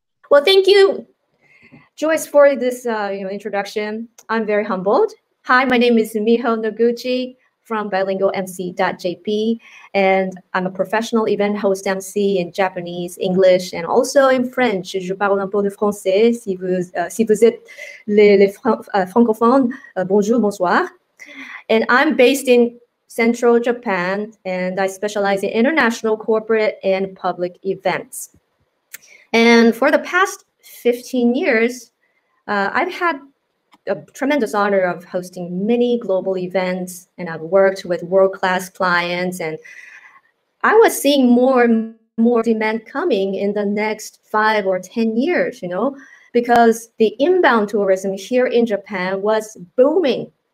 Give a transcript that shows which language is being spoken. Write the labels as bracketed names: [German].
[English] Well, thank you, Joyce, for this introduction. I'm very humbled. Hi, my name is Miho Noguchi from bilingualmc.jp, and I'm a professional event host MC in Japanese, English, and also in French. [French] Je parle un peu de français, si vous êtes les francophones, bonjour, bonsoir. [English] And I'm based in central Japan, and I specialize in international, corporate, and public events. And for the past 15 years, I've had a tremendous honor of hosting many global events, and I've worked with world-class clients, and I was seeing more and more demand coming in the next 5 or 10 years, because the inbound tourism here in Japan was booming.